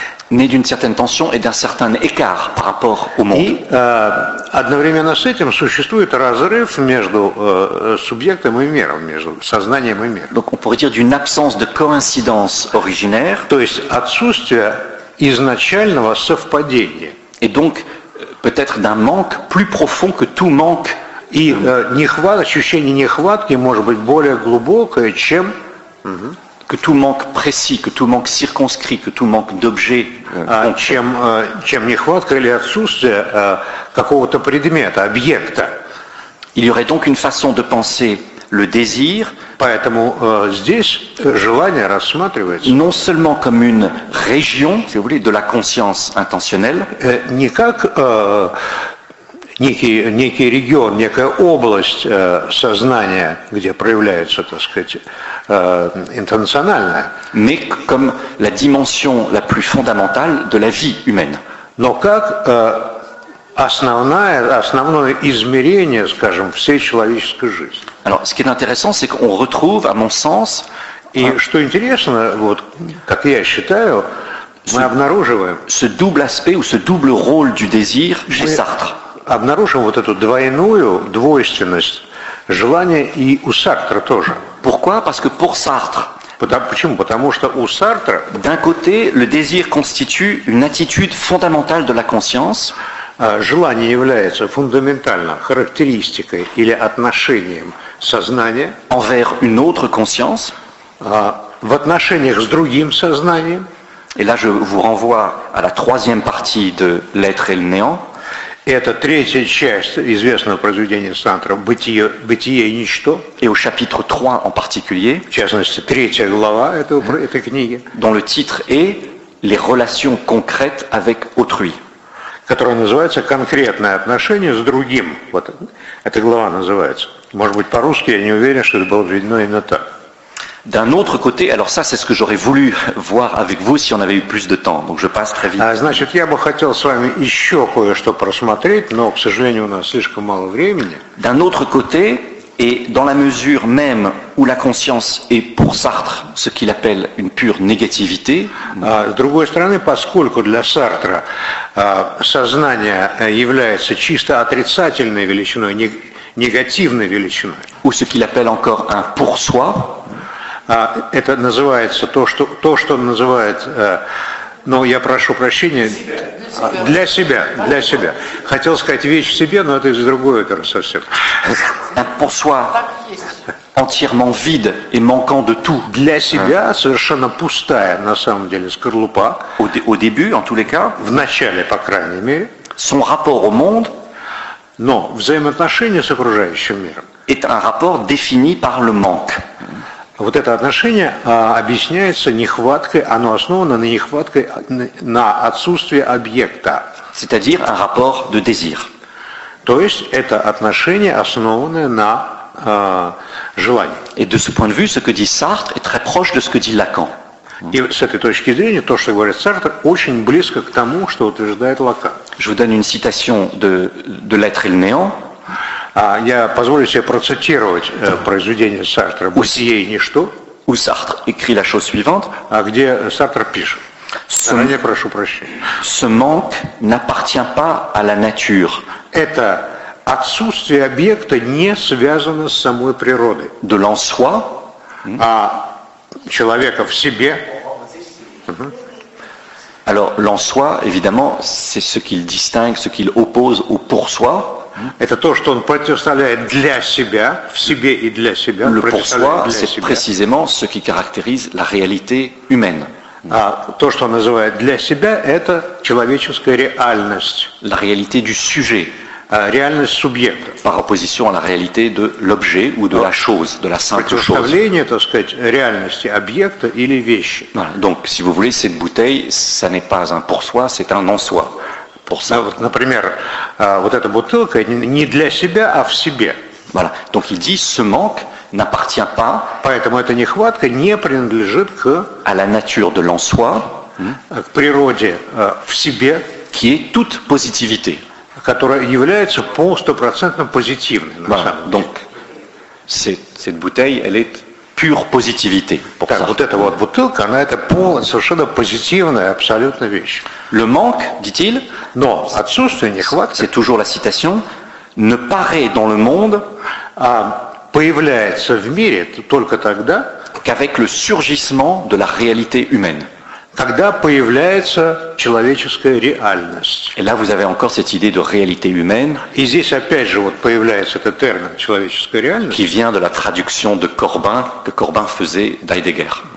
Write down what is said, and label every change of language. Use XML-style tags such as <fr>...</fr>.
<fr>Né d'une certaine tension et d'un certain écart par rapport au monde.</fr> <ru>И одновременно с этим существует разрыв между субъектом и миром, между сознанием и миром.</ru> <fr>Donc on pourrait dire d'une absence de coïncidence originaire.</fr> <ru>То есть отсутствие изначального совпадения.</ru> <fr>Et donc, peut-être d'un manque plus profond que tout manque.</fr> <ru>И ощущение нехватки может быть более глубокое, чем...</ru> <fr>Que tout manque précis, que tout manque circonscrit, que tout manque d'objet.</fr> <ru>Чем нехватка или отсутствие какого-то предмета, объекта.</ru> <fr>Il y aurait donc une façon de penser le désir,</fr> <ru>поэтому здесь желание рассматривается</ru> <fr>non seulement comme une région, si vous voulez, de la conscience intentionnelle,</fr> <ru>не как некий регион, некая область сознания, где проявляется, так сказать, интернациональное,</ru> <fr>mais comme la dimension la plus fondamentale de la vie humaine.</fr> <ru>Но как основное измерение, скажем, всей человеческой жизни.</ru> <fr>Alors, ce qui est intéressant, c'est qu'on retrouve, à mon sens,</fr> <ru>и что интересно, вот как я считаю, мы обнаруживаем</ru> <fr>ce double aspect ou ce double rôle du désir chez Sartre.</fr> <ru>Обнаружим вот эту двойственность желания и у Сартра тоже.</ru> <fr>Pourquoi? Parce que pour Sartre.</fr> <ru>Почему? Потому что у Сартра.</ru> <fr>D'un côté, le désir constitue une attitude fondamentale de la conscience.</fr> <ru>Желание является фундаментально характеристикой или отношением сознания.</ru> <fr>Envers une autre conscience.</fr> <ru>В отношениях с другим сознанием.</ru> <fr>Et là, je vous renvoie à la troisième partie de l'être et le néant.</fr> <ru>Это третья часть известного произведения Сартра «Бытие и ничто». И в</ru> <fr>chapitre 3 en particulier.</fr> <ru>В частности, третья глава этой книги.</ru> <fr>Dont le titre est «Les relations concrètes avec autrui».</fr> <ru>Которая называется «Конкретное отношение с другим». Вот эта глава называется. Может быть, по-русски, я не уверен, что это было введено именно так.</ru> <fr>D'un autre côté, alors ça, c'est ce que j'aurais voulu voir avec vous si on avait eu plus de temps. Donc je passe très vite.</fr> <ru>Значит, я бы хотел с вами еще кое-что просмотреть, но, к сожалению, у нас слишком мало времени.</ru> <fr>D'un autre côté, et dans la mesure même où la conscience est pour Sartre ce qu'il appelle une pure négativité.</fr> <ru>С другой стороны, поскольку для Сартра сознание является чисто отрицательной величиной, негативной величиной.</ru> <fr>Ou ce qu'il appelle encore un pour soi.</fr> <ru>Это называется то, что называют, ну, я прошу прощения, для себя. Хотел сказать вещь в себе, но это из другой оперы совсем.</ru> <fr>Un pour soi entièrement vide et manquant de tout.</fr> <ru>Для себя совершенно пустая, на самом деле, скорлупа.</ru> <fr>Au début, en tous les cas.</fr> <ru>В начале, по крайней мере.</ru> <fr>Son rapport au monde.</fr> <ru>Но взаимоотношения с окружающим миром.</ru> <fr>Est un rapport défini par le manque.</fr> <ru>Вот это отношение объясняется нехваткой, оно основано на нехватке, на отсутствии объекта.</ru> <fr>C'est-à-dire un rapport de désir.</fr> <ru>То есть это отношение, основанное на желании.</ru> <fr>Et de ce point de vue, ce que dit Sartre est très proche de ce que dit Lacan.</fr> <ru>И с этой точки зрения, то, что говорит Сартр, очень близко к тому, что утверждает Лакан.</ru> <fr>Je vous donne une citation de l'être et le néant.</fr> <ru>Я позволю себе процитировать произведение Сартра «Бытие и ничто».</ru> <fr>Où Sartre écrit la chose suivante.</fr> <ru>Где Сартр пишет. Не прошу прощения.</ru> <fr>Ce manque n'appartient pas à la nature.</fr> <ru>Это отсутствие объекта не связано с самой природой.</ru> <fr>De l'en-soi.</fr> <ru>А человека в себе.</ru> <fr>Alors, l'en-soi, évidemment, c'est ce qu'il distingue, ce qu'il oppose au pour-soi.</fr> <ru>Это то, что он противопоставляет для себя, в себе и для себя.</ru> <fr>Le pour soi, c'est précisément ce qui caractérise la réalité humaine.</fr> <ru>То, что он называет для себя, это человеческая реальность.</ru> <fr>La réalité du sujet.</fr> <ru>Реальность субъекта.</ru> <fr>Par opposition à la réalité de l'objet ou de la chose, de la simple chose.</fr> <ru>Противопоставление, так сказать, реальности объекта или вещи.</ru> <fr>Donc, si vous voulez, cette bouteille, ça n'est pas un pour soi, c'est un en soi.</fr> <ru>Например, вот эта бутылка не для себя, а в себе.</ru> <fr>Voilà. Donc il dit, ce manque n'appartient pas.</fr> <ru>Поэтому эта нехватка не принадлежит к.</ru> <fr>À la nature de l'en-soi.</fr> <ru>К природе в себе.</ru> <fr>Qui est toute positivité.</fr> <ru>Которая является полстопроцентно позитивной.</ru> <fr>Voilà. Donc cette bouteille, elle est pure positivité.</fr> <ru>Так, вот эта вот бутылка, она это полная, совершенно позитивная, абсолютная вещь.</ru> <fr>Le manque, dit-il,</fr> <ru>но отсутствие, нехватка,</ru> <fr>c'est toujours la citation, ne paraît dans le monde,</fr> <ru>появляется в мире только тогда,</ru> <fr>qu'avec le surgissement de la réalité humaine.</fr> <ru>Когда появляется человеческая реальность.</ru> <fr>Et là, vous avez encore cette idée de réalité humaine.</fr> <ru>И здесь опять же вот появляется этот термин человеческая реальность.</ru> <fr>Qui vient de la traduction de Corbin, que Corbin faisait d'Heidegger.</fr>